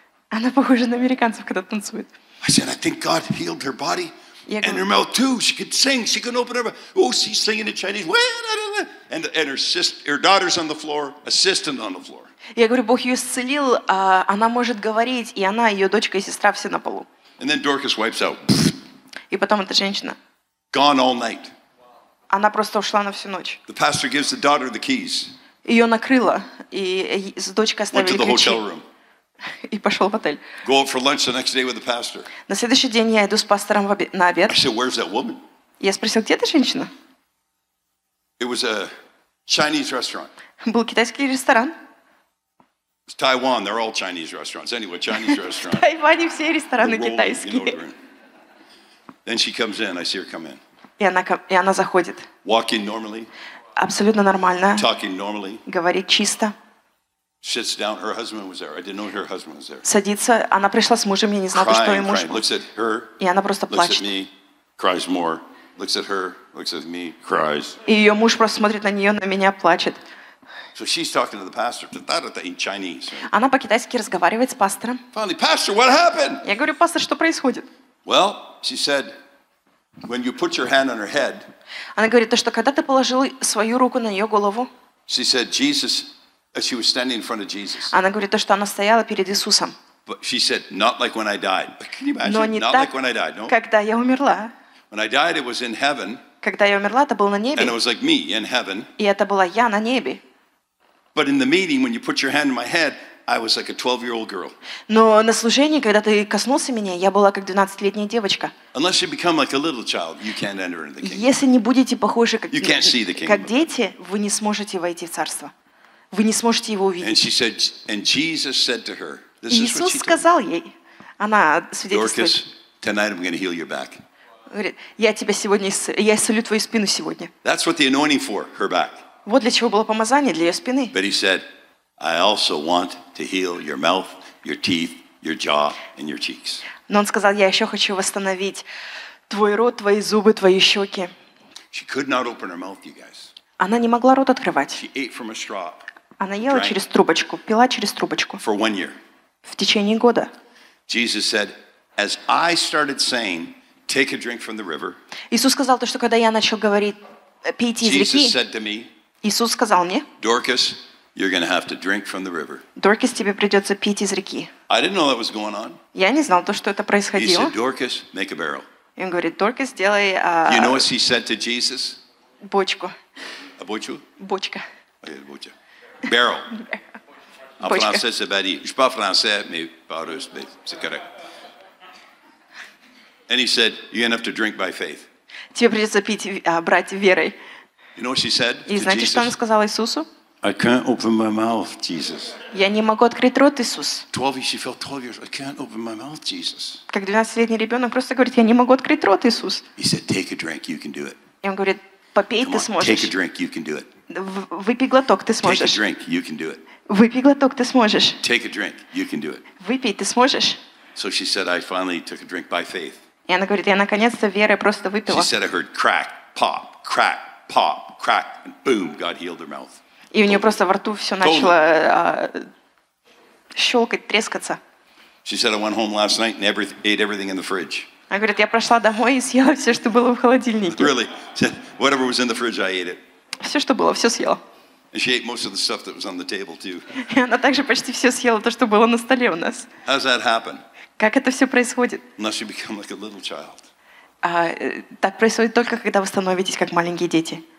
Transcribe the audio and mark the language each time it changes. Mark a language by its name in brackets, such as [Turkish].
[Russian] Она похожа на американцев, когда танцует. [English] I said, I think God healed her body. And her mouth too. She could sing. She could open her mouth. Oh, she's singing in Chinese. And her sister, her daughter's on the floor. Assistant on the floor. [Russian] Я говорю, Бог ее исцелил. Она может говорить, и она, ее дочка и сестра все на полу. [English] And then Dorcas wipes out. [Russian] И потом эта женщина. [English] Gone all night. [Russian] Она просто ушла на всю ночь. [English] The pastor gives the daughter the keys. [Russian] Ее накрыло, и с дочкой оставили ключи. [English] Went to the hotel room. [Russian] И пошел в отель. [English] Go out for lunch the next day with the pastor. [Russian] На следующий день я иду с пастором на обед. [English] I said, where's that woman? [Russian] Я спросил, где эта женщина? [English] It was a Chinese restaurant. [Russian] Был китайский ресторан. [English] It's Taiwan, they're all Chinese restaurants. Anyway, Chinese restaurant. [Russian] В Тайване все рестораны китайские. [English] Then she comes in, I see her come in. [Russian] И она заходит. [English] Walking normally. [Russian] Абсолютно нормально. [English] Talking normally. [Russian] Говорит чисто. [English] Sits down, her husband was there. I didn't know her husband was there. [Russian] Садится, она пришла с мужем, я не знала, что ее муж. [English] Looks at her. [Russian] И она просто плачет. [English] Looks at me, cries more. Looks at her, looks at me, cries. [Russian] И ее муж просто смотрит на нее, на меня плачет. [English] So she's talking to the pastor. Та-та-та-та in Chinese. [Russian] Она по-китайски разговаривает с пастором. [English] Finally, pastor, what happened? [Russian] Я говорю, пастор, что происходит? [English] Well, she said, when you put your hand on her head. [Russian] Она говорит то, что когда ты положил свою руку на ее голову. [English] She said, Jesus. She was standing in front of Jesus. Она говорит то, что она стояла перед Иисусом. But she said, not like when I died. Can you imagine? [Russian] Но не [English] not [Russian] так, [English] like when I died. No. [Russian] Когда я умерла. [English] When I died, it was in heaven. [Russian] Когда я умерла, это было на небе. [English] And it was like me in heaven. [Russian] И это была я на небе. [English] But in the meeting, when you put your hand in my head, I was like a 12-year-old girl. [Russian] Но на служении, когда ты коснулся меня, я была как 12-летняя девочка. [English] Unless you become like a little child, you can't enter into the kingdom. [Russian] Если не будете похожи как, [English] you can't see the kingdom. [Russian] Как дети, вы не сможете войти в царство. Вы не сможете его увидеть. [English] And she said, and Jesus said to her, this [Russian] Иисус [English] is what she [Russian] сказал [English] told. [Russian] Ей. Она свидетельствует. [English] Dorcas, tonight I'm going to heal your back. [Russian] Говорит, я тебя сегодня я исцелю твою спину сегодня. [English] That's what the anointing for her back. [Russian] Вот для чего было помазание для ее спины. [English] But he said, I also want to heal your mouth, your teeth, your jaw, and your cheeks. [Russian] Но он сказал, я еще хочу восстановить твой рот, твои зубы, твои щеки. [English] She could not open her mouth, you guys. [Russian] Она не могла рот открывать. [English] She ate from a straw. [Russian] Она ела через трубочку, пила через трубочку. [English] For one year. [Russian] В течение года. [English] Jesus said, as I started saying, take a drink from the river. [Russian] Иисус сказал то, что когда я начал говорить, пейте из реки. [English] Jesus said to me. [Russian] Иисус сказал мне. [English] Dorcas, you're going to have to drink from the river. [Russian] Dorcas, тебе придется пить из реки. [English] I didn't know that was going on. [Russian] Я не знал то, что это происходило. [English] He said, Dorcas, make a barrel. [Russian] И он говорит, Dorcas, делай. [English] You know what he said to Jesus? [Russian] Бочку. A бочку? Бочка. [French] Okay, бочка. Barrel. En français, c'est badi. Je suis pas français, mais pas russe, mais c'est correct. [English] And he said, "You're gonna have to drink by faith." [Russian] Тебе придется пить, брать верой. [English] You know what she said? [Russian] И знаете, что она сказала Иисусу? [English] I can't open my mouth, Jesus. [Russian] Я не могу открыть рот, Иисус. [English] 12, she felt 12 years. I can't open my mouth, Jesus. [Russian] Как 12-летний ребенок просто говорит, я не могу открыть рот, Иисус. [English] He said, "Take a drink. You can do it." [Russian] И он говорит, попей, ты сможешь. [English] Take a drink. You can do it. [Russian] Выпей глоток, ты сможешь. [English] Take a drink, you can do it. [Russian] Выпей глоток, ты сможешь. [English] Take a drink, you can do it. [Russian] Выпей, ты сможешь. [English] So she said, I finally took a drink by faith. [Russian] И она говорит, я наконец-то верой просто выпила. [English] She said, I heard crack, pop, crack, pop, crack, and boom, God healed her mouth. [Russian] И у нее просто во рту все начало щелкать, трескаться. [English] She said, I went home last night and ate everything in the fridge. [Russian] Она говорит, я прошла домой и съела все, что было в холодильнике. [English] Really? Whatever was in the fridge, I ate it. [Russian] Все, что было, все съела. [English] And she ate most of the stuff that was on the table too. [Russian] И она также почти все съела то, что было на столе у нас. [English] How does that happen? [Russian] Как это все происходит? [English] Unless you become like a little child. [Russian] Так происходит только, когда вы становитесь как маленькие дети.